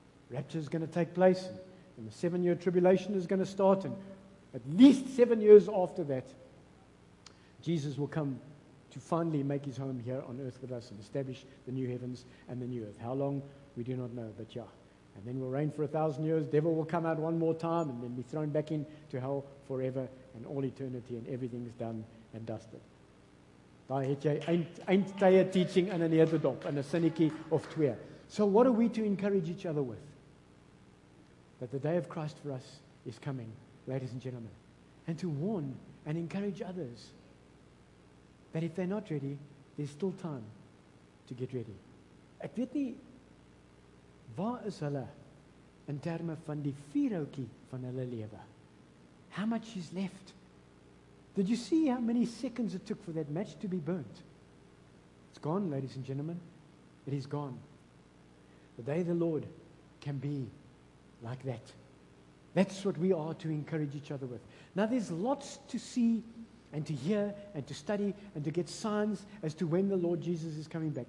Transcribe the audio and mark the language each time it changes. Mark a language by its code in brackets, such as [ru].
[en] Rapture is going to take place, and the 7-year tribulation is going to start, and at least 7 years after that, Jesus will come to finally make his home here on earth with us and establish the new heavens and the new earth. How long? We do not know, but yeah. And then we'll reign for 1,000 years, devil will come out one more time, and then be thrown back into hell forever and all eternity, and everything's done and dusted. [af] Daar het jy eindtye teaching in 'n neerdedop, in 'n sinnetjie of twee. [en] So what are we to encourage each other with? That the day of Christ for us is coming ladies and gentlemen, and to warn and encourage others that if they're not ready, there's still time to get ready. [af] Ek weet nie waar is hulle in terme van die vierhoutjie van hulle lewe. [en] How much is left? Did you see how many seconds it took for that match to be burnt? It's gone, ladies and gentlemen. It is gone. The day of the Lord can be like that. That's what we are to encourage each other with. Now there's lots to see and to hear and to study and to get signs as to when the Lord Jesus is coming back.